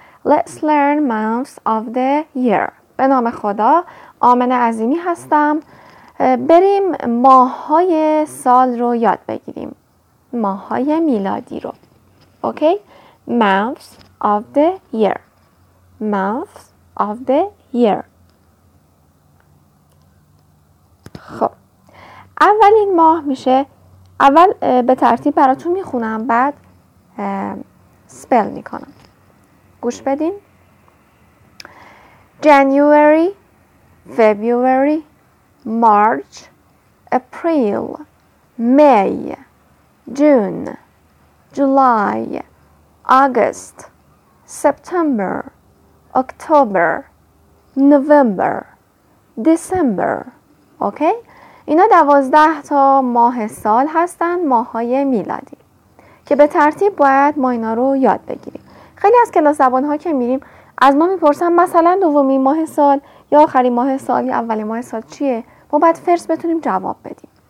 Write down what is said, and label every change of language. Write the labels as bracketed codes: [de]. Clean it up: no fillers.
[en] Let's learn months of the year. [fa] به نام خدا، آمنه عظیمی هستم. بریم ماه‌های سال رو یاد بگیریم. ماه‌های میلادی رو. [en] Okay? Months of the year. Months of the year. [fa] خب. اولین ماه میشه. اول به ترتیب براتون میخونم، بعد سپل میکنم. گوش بدین. [en] January, February, March, April, May, June, July, August, September, October, November, December. Okay? [fa] اینا 12 تا ماه سال هستن، ماه‌های میلادی که به ترتیب باید ما اینا رو یاد بگیریم. خیلی از کلاس زبان‌ها که میریم از ما میپرسن مثلا دومی ماه سال یا آخری ماه سال یا اولی ماه سال چیه؟ ما باید فرست بتونیم جواب بدیم.